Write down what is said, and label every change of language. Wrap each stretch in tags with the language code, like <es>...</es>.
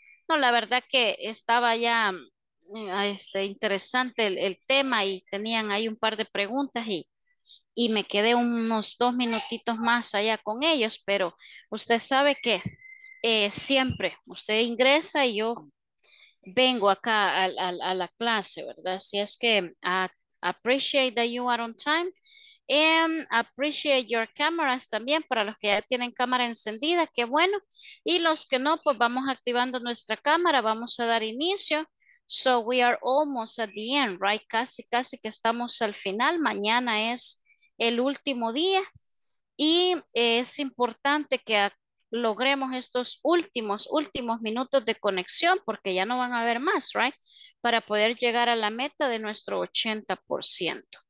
<es>No, la verdad que estaba ya interesante el tema y tenían ahí un par de preguntas y me quedé unos 2 minutitos más allá con ellos, pero usted sabe que siempre usted ingresa y yo vengo acá a la clase, ¿verdad? Así es que</es> <en>appreciate that you are on time and appreciate your cameras</en> <es>también para los que ya tienen cámara encendida, qué bueno. Y los que no, pues vamos activando nuestra cámara, vamos a dar inicio.</es> <en>So we are almost at the end, right?</en> <es>Casi, casi que estamos al final. Mañana es el último día y es importante que logremos estos últimos minutos de conexión porque ya no van a haber más, right? Para poder llegar a la meta de nuestro 80%.</es>